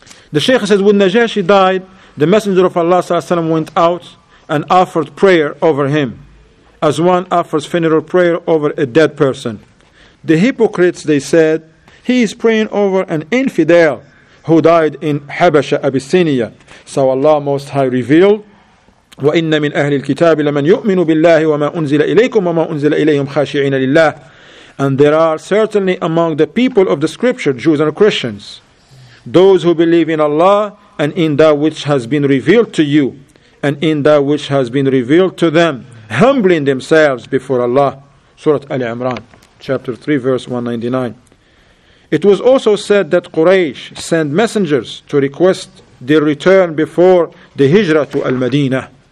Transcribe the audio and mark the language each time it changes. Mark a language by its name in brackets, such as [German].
[English] The Shaykh says, when Najashi died, the Messenger of Allah sallallahu alayhi wa sallam went out and offered prayer over him, as one offers funeral prayer over a dead person. The hypocrites, they said, he is praying over an infidel who died in Habasha, Abyssinia. So Allah Most High revealed, [Arabic] وَإِنَّ مِنْ أَهْلِ الْكِتَابِ لَمَنْ يُؤْمِنُ بِاللَّهِ وَمَا أُنزِلَ إِلَيْكُمْ وَمَا أُنزِلَ إِلَيْهِمْ خَاشِعِينَ لِلَّهِ. [English] And there are certainly among the people of the scripture, Jews and Christians, those who believe in Allah and in that which has been revealed to you and in that which has been revealed to them, humbling themselves before Allah. Surah Ali Imran, chapter 3, verse 199. It was also said that Quraysh sent messengers to request their return before the hijrah to Al-Madina.